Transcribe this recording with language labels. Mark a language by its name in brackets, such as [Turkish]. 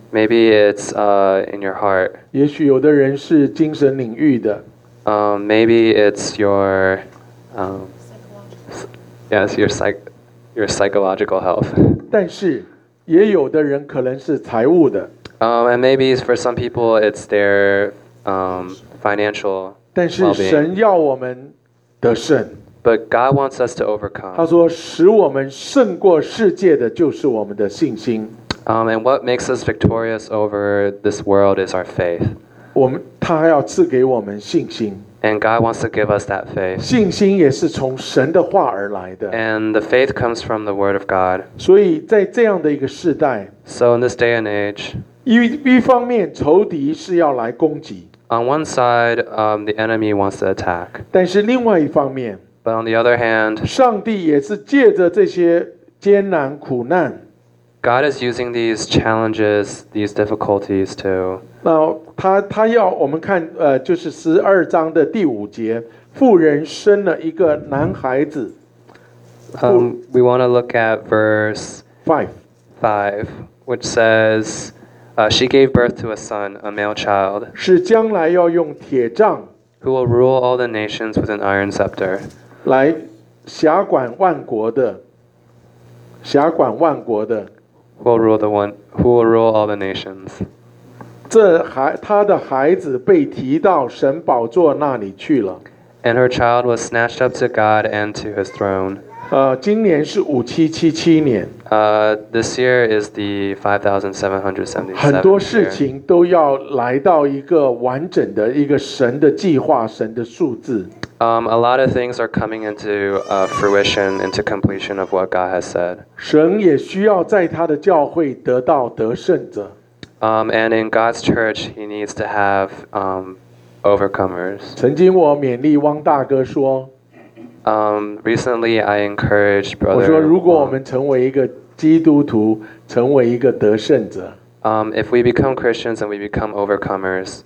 [English] Maybe it's in your heart. [Chinese] 也许有的人是精神领域的。 [English] Maybe it's your your psychological health. [Chinese] 但是也有的人可能是财务的。 [English] And maybe for some people it's their financial. [Chinese] 但是神要我们得胜。 [English] But God wants us to overcome. [Chinese] 他说使我们胜过世界的就是我们的信心。 [English] And what makes us victorious over this world is our faith. [Chinese] 他要赐给我们信心。 [English] And God wants to give us that faith. [Chinese] 信心也是从神的话而来的。 [English] And the faith comes from the word of God. [Chinese] 所以在这样的一个世代。 [English] So in this day and age. [Chinese] 一方面仇敌是要来攻击。 [English] On one side, the enemy wants to attack. [Chinese] 但是另外一方面， [English] But on the other hand, [Chinese] 上帝也是借着这些艰难苦难， [English] God is using these challenges, these difficulties to. [Chinese] 那他要我们看，就是十二章的第五节，妇人生了一个男孩子。 [English] We want to look at verse 5, which says. She gave birth to a son, a male child, [Chinese] 是将来要用铁杖 [English] who will rule all the nations with an iron scepter, [Chinese] 来辖管万国的，辖管万国的 [English] who will rule all the nations. [Chinese] 他的孩子被提到神宝座那里去了。 [English] And her child was snatched up to God and to his throne. [Chinese] 今年是5777年。 [English] This year is the 5777. [Chinese] 很多事情都要来到一个完整的一个神的计划，神的数字。 [English] A lot of things are coming into fruition, into completion of what God has said. [Chinese] 神也需要在他的教会得到得胜者。 [English] And in God's church, he needs to have overcomers. [Chinese] 曾经我勉励汪大哥说。 [English] Recently, I encouraged brother. [Chinese] 我说，如果我们成为一个基督徒，成为一个得胜者。 [English] If we become Christians and we become overcomers.